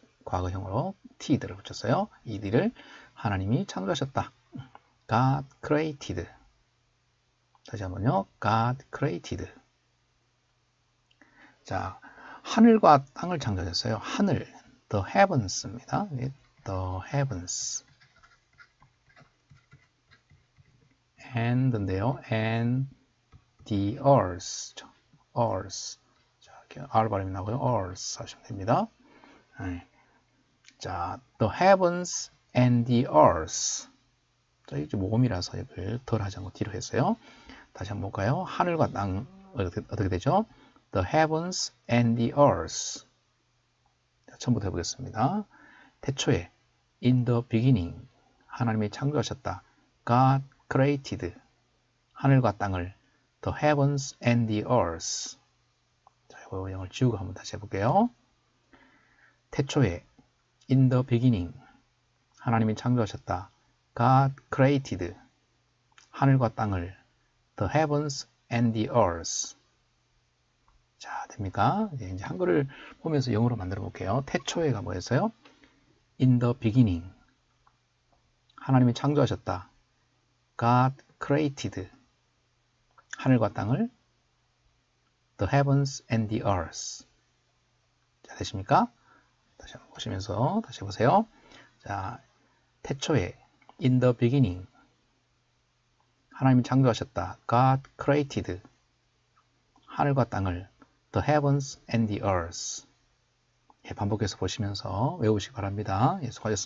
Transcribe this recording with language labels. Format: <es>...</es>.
<ko>과거형으로 T를 붙였어요. ED를 하나님이 창조하셨다.</ko> <en>God created.</en> <ko>다시 한번요.</ko> <en>God created.</en> <ko>자, 하늘과 땅을 창조하셨어요. 하늘,</ko> <en>the heavens</en> <ko>입니다.</ko> <en>The heavens and인데요, and the earth죠.</en> <ko>earth 자, 이렇게 R 발음이 나고요, earth 하시면 됩니다. 네.</ko> <en>자, the heavens and the earth.</en> <ko>자, 이게 모음이라서 이걸 덜 하자고 뒤로 했어요. 다시 한번 볼까요? 하늘과 땅 어떻게 되죠?</ko> <en>The heavens and the earth.</en> <ko>자, 처음부터 해보겠습니다. 태초에</ko> <en>In the beginning,</en> <ko>하나님이 창조하셨다.</ko> <en>God created</en> <ko>하늘과 땅을.</ko> <en>The heavens and the earth.</en> <ko>자, 이 영을 지우고 한번 다시 해볼게요. 태초에,</ko> <en>in the beginning,</en> <ko>하나님이 창조하셨다.</ko> <en>God created</en> <ko>하늘과 땅을.</ko> <en>The heavens and the earth.</en> <ko>자, 됩니까? 이제 한글을 보면서 영어로 만들어 볼게요. 태초에가 뭐였어요?</ko> <en>In the beginning.</en> <ko>하나님이 창조하셨다.</ko> <en>God created</en> <ko>하늘과 땅을.</ko> <en>The heavens and the earth.</en> <ko>자, 되십니까? 다시 한번 보시면서 다시 보세요. 자, 태초에</ko> <en>in the beginning</en> <ko>하나님이 창조하셨다.</ko> <en>God created</en> <ko>하늘과 땅을.</ko> <en>The heavens and the earth.</en> <ko>예, 반복해서 보시면서 외우시기 바랍니다. 예, 수고하셨습니다.</ko>